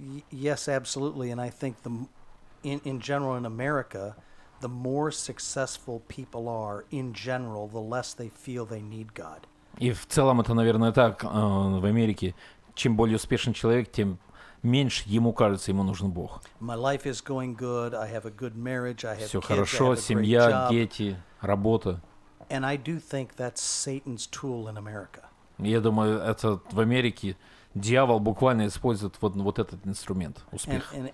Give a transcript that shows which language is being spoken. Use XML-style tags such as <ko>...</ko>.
<en>Yes, absolutely, and I think the in general in America, the more successful people are in general, the less they feel they need God.</en> <ru>И в целом это, наверное, так в Америке. Чем более успешен человек, тем меньше ему кажется, ему нужен Бог.</ru> <en>My life is going good. I have a good marriage. I have</en> <ru>все хорошо, семья, дети, работа.</ru> <en>And I do think that's Satan's tool in America.</en> <ru>Я думаю, это в Америке. Дьявол буквально использует вот, вот этот инструмент, успех.</ru>